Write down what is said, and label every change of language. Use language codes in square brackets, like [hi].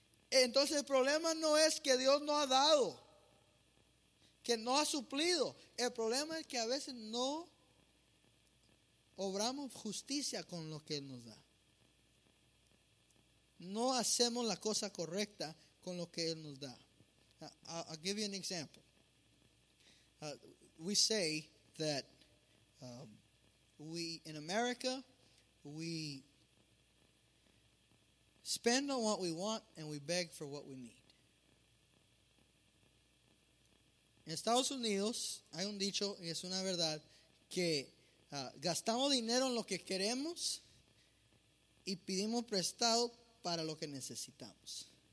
[es] Entonces el problema no es que Dios no ha dado, que no ha suplido. El problema es que a veces no obramos justicia con lo que nos da. no hacemos la cosa correcta con lo que Él nos da. [en] I'll give you an example. We say that in America, we spend on what we want and we beg for what we need. [es] En Estados Unidos, hay un dicho, y es una verdad, que gastamos dinero en lo que queremos y pedimos prestado para lo que necesitamos.